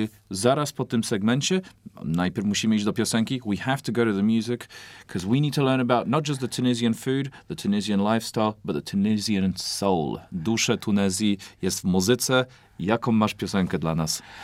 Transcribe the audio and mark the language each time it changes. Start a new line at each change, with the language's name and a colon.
Polish: Zaraz po tym segmencie, najpierw musimy iść do piosenki.
English: We have to go to the music, because we need to learn about not just the Tunisian food, the Tunisian lifestyle, but the Tunisian soul.
Polish: Duszę Tunezji jest w muzyce. Jaką masz piosenkę dla nas?